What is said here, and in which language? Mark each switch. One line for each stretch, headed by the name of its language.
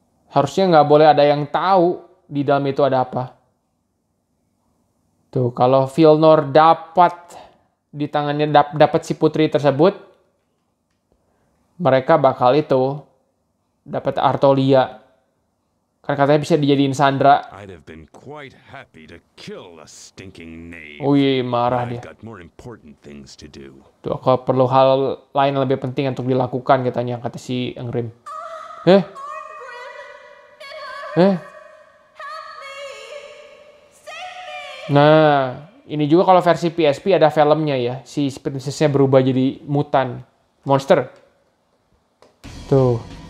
Indonesian: Harusnya nggak boleh ada yang tahu di dalam itu ada apa. Tuh, kalau Vilnor dapat di tangannya, dapat si putri tersebut, mereka bakal itu dapat Artolia. Kan katanya bisa dijadiin Sandra.
English: I'd have been quite happy to kill a stinking knave.
Indonesian: Uy, marah dia.
English: I've got more important things to do.
Indonesian: Tuh, aku perlu hal lain lebih penting untuk dilakukan, katanya, kata si Angrim. Eh? Eh. Nah, ini juga kalau versi PSP ada filmnya ya. Si princess-nya berubah jadi mutan monster. Tuh.